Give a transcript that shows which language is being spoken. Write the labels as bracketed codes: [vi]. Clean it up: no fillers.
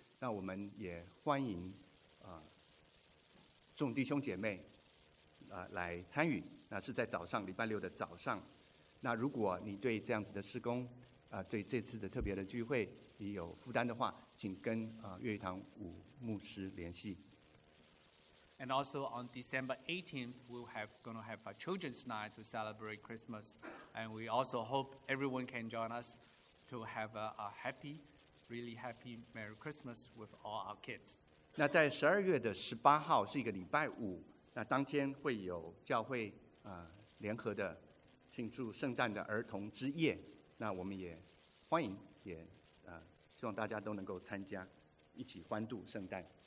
[zh] 那我们也欢迎众弟兄姐妹来参与。那是在早上，礼拜六的早上。那如果你对这样子的施工对这次的特别的聚会你有负担的话，请跟粤语堂五牧师联系。 [en] And also on December 18th, we'll have going to have a children's night to celebrate Christmas, and we also hope everyone can join us to have a happy, really happy Merry Christmas with all our kids. [zh] 那在12月18号是一个礼拜五，那当天会有教会联合的庆祝圣诞的儿童之夜，那我们也欢迎也。希望大家都能够参加，一起欢度圣诞。